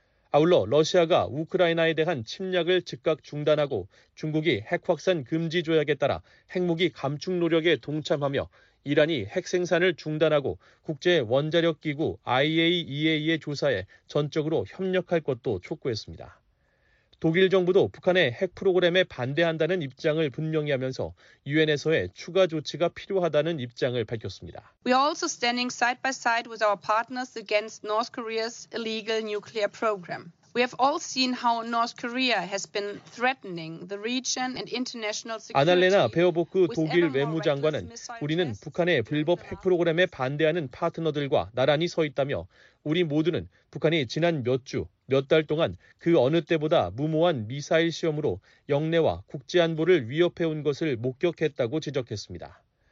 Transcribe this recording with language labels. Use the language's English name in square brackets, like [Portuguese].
[Korean] 아울러 러시아가 우크라이나에 대한 침략을 즉각 중단하고 중국이 핵확산 금지 조약에 따라 핵무기 감축 노력에 동참하며 이란이 핵 생산을 중단하고 국제원자력기구 IAEA의 조사에 전적으로 협력할 것도 촉구했습니다. 독일 정부도 북한의 핵 프로그램에 반대한다는 입장을 분명히 하면서 유엔에서의 추가 조치가 필요하다는 입장을 밝혔습니다. [English] We are also standing side by side with our partners against North Korea's illegal nuclear program. We have all seen how North Korea has been threatening the region and international security. [Korean] 아날레나 베어보크 독일 외무장관은 우리는 북한의 불법 핵 프로그램에 반대하는 파트너들과 나란히 서 있다며 우리 모두는 북한이 지난 몇 주, 몇 달 동안 그 어느 때보다 무모한 미사일 시험으로 영내와 국제 안보를 위협해온 것을 목격했다고 지적했습니다.